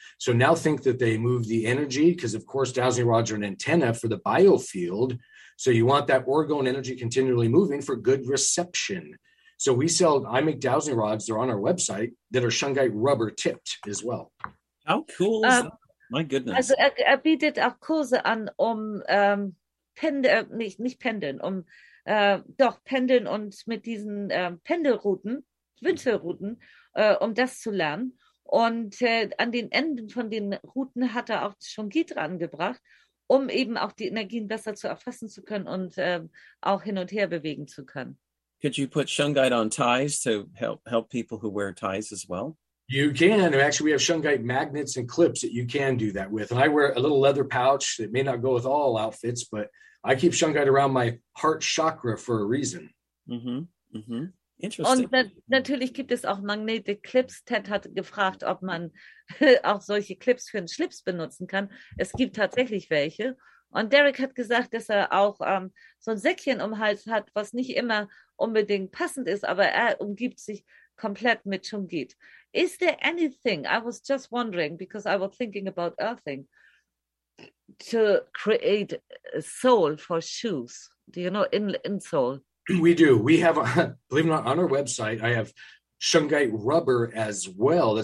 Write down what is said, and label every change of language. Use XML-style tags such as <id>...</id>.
<en>So now think that they move the energy, because, of course, dowsing rods are an antenna for the biofield. So you want that orgone energy continually moving for good reception. So I make dowsing rods. They're on our website that are Shungite rubber tipped as well. How cool is that? My goodness.</en> <de>Also, er bietet auch Kurse an, pendeln und mit diesen Pendelrouten, Windelrouten, um das zu lernen. Und an den Enden von den Routen hat er auch Shungite angebracht, um eben auch die Energien besser zu erfassen zu können und auch hin und her bewegen zu können.</de> <en>Could you put Shungite on ties to help people who wear ties as well? You can. Actually, we have Shungite magnets and clips that you can do that with. And I wear a little leather pouch that may not go with all outfits, but I keep Shungite around my heart chakra for a reason. Interesting.</en> <de>Und natürlich gibt es auch Magnete Clips. Ted hat gefragt, ob man auch solche Clips für einen Schlips benutzen kann. Es gibt tatsächlich welche. Und Derek hat gesagt, dass er auch so ein Säckchen um Hals hat, was nicht immer unbedingt passend ist, aber er umgibt sich komplett mit Shungite.</de> <en>Is there anything, I was just wondering, because I was thinking about earthing, to create a sole for shoes? Do you know insole? We do. We have, believe it or not, on our website, I have Shungite rubber as well.</en>